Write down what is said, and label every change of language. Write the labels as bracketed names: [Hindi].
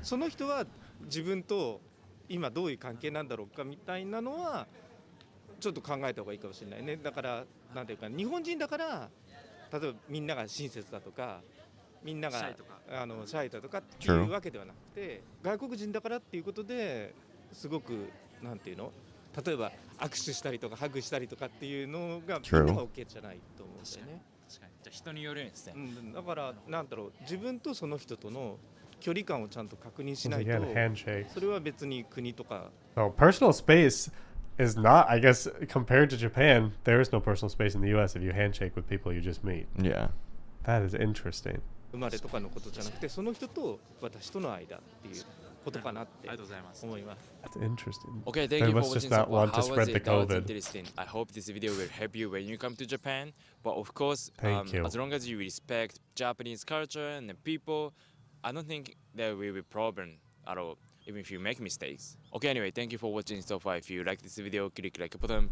[Japanese] その人は自分と今どういう関係なんだろうかみたいなのはちょっと考えた方がいいかもしれないね。だからなんていうか、日本人だから例えばみんなが親切だとかみんながあのシャイだとかっていうわけではなくて、外国人だからっていうことですごくなんていうの、例えば握手したりとかハグしたりとかっていうのがみんなが OK じゃないと思うんだよね。じゃあ人によるんですね、うん、だからなんだろう、自分とその人との距離感をちゃんと確認しないと、それは別に国とか。 [English] So personal space is not, I guess, compared to Japan, there is no personal space in the US if you handshake with people you just meet. Yeah. That is interesting. [Japanese] 生まれとかのことじゃなくて、その人と私との間っていうことかなって思います。 [English] That's interesting. Okay, thank you for watching. How was it? That was interesting. I hope this video will help you when you come to Japan. But of course, as long as you respect Japanese culture and the people, I don't think there will be a problem at all, even if you make mistakes. Okay, anyway, thank you for watching so far. If you like this video, click like button.